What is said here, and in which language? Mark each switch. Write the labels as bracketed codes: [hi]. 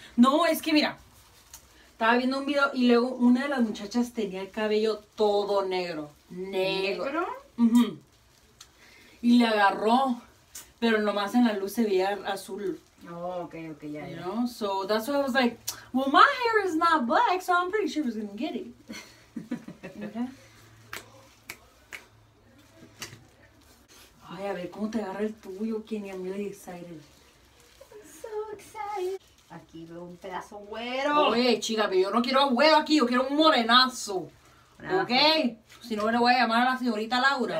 [es] No, es que mira, estaba viendo un video y luego una de las muchachas tenía el cabello todo negro. ¿Negro? Uh-huh. Y le agarró, pero nomás en la luz se veía azul. Oh, ok, ya. [en] You know, so that's why I was like, well, my hair is not black, so I'm pretty sure I was gonna get it. Okay. [es] Ay, a ver, ¿cómo te agarra el tuyo, Kenia? [en] I'm really excited. I'm so excited. [es] Aquí veo un pedazo güero. Oye, chica, pero yo no quiero güero aquí, yo quiero un morenazo. Brazo. ¿Ok? Si no, le voy a llamar a la señorita Laura.